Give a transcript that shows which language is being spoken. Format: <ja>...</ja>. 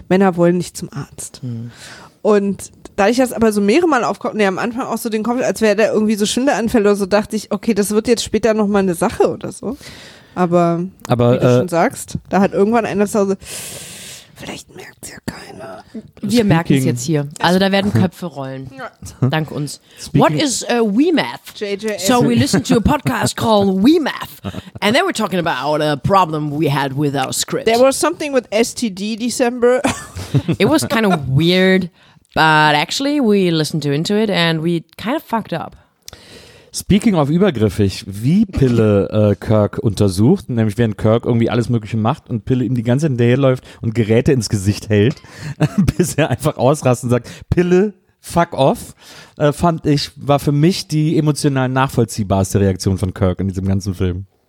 <de>Männer wollen nicht zum Arzt. Und dadurch, dass aber so mehrere Mal aufkommt, am Anfang auch so den Kopf, als wäre der irgendwie so Schwindelanfälle oder so, dachte ich, okay, das wird jetzt später nochmal eine Sache oder so. Aber wie du schon sagst, da hat irgendwann einer zu Hause, vielleicht merkt es ja keiner. Wir merken es jetzt hier. Also da werden Köpfe rollen. Ja. Dank uns.</de> <en>Speaking. What is WeMath? So we listen to a podcast called WeMath. And then we're talking about a problem we had with our script. There was something with STD December. It was kind of weird, but actually we listened into it and we kind of fucked up.</en> <de>Speaking of übergriffig, wie Pille Kirk untersucht, nämlich während Kirk irgendwie alles Mögliche macht und Pille ihm die ganze Zeit hinterherläuft und Geräte ins Gesicht hält, bis er einfach ausrastet und sagt, Pille,</de> <en>fuck off,</en> <de>war für mich die emotional nachvollziehbarste Reaktion von Kirk in diesem ganzen Film.</de>